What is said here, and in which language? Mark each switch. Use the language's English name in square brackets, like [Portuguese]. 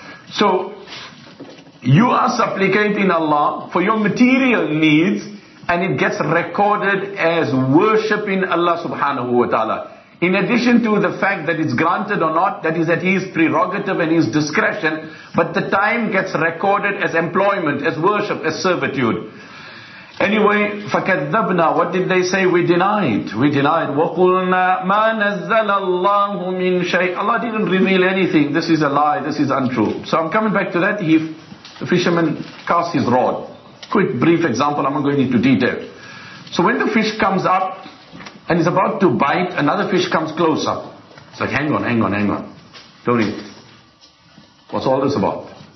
[English] So, you are supplicating Allah for your material needs and it gets recorded as worshipping Allah subhanahu wa ta'ala. In addition to the fact that it's granted or not, that is at His prerogative and His discretion, but the time gets recorded as employment, as worship, as servitude. Anyway, [Arabic] فَكَذَّبْنَا [English] what did they say? We denied. [Arabic] وَقُلْنَا مَا نَزَّلَ اللَّهُ مِنْ شَيْءٍ [English] Allah didn't reveal anything. This is a lie. This is untrue. So I'm coming back to that. The fisherman casts his rod. Quick, brief example. I'm not going into detail. So when the fish comes up and is about to bite, another fish comes closer. It's like, hang on. Don't eat. What's all this about?